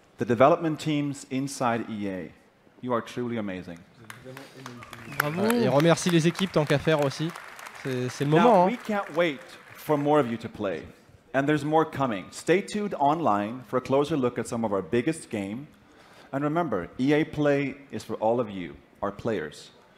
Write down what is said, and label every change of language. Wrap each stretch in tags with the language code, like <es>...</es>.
<en>The development teams inside EA, you are truly amazing.</en> <fr>Bravo. Et remercie les équipes tant qu'à faire aussi. C'est le moment.</fr> <en>Now, we can't wait for more of you to play. And there's more coming. Stay tuned online for a closer look at some of our biggest game. And remember, EA Play is for all of you, our players.</en>